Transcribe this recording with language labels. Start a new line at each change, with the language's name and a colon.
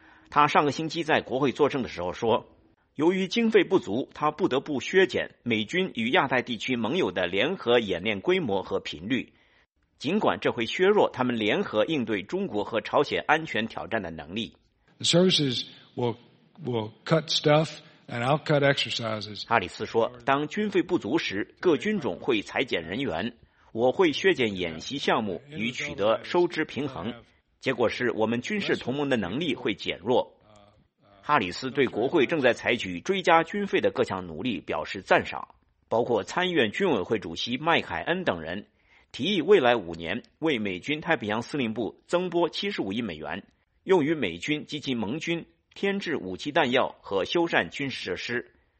Chinese: 他上个星期在国会作证的时候说，由于经费不足，他不得不削减美军与亚太地区盟友的联合演练规模和频率，尽管这会削弱他们联合应对中国和朝鲜安全挑战的能力。
English: The services will cut stuff and I'll cut exercises.
Chinese: 哈里斯说，当军费不足时，各军种会裁减人员，我会削减演习项目与取得收支平衡，结果是我们军事同盟的能力会减弱。哈里斯对国会正在采取追加军费的各项努力表示赞赏，包括参议院军委会主席麦凯恩等人提议未来五年为美军太平洋司令部增拨75亿美元，用于美军及其盟军添置武器弹药和修缮军事设施。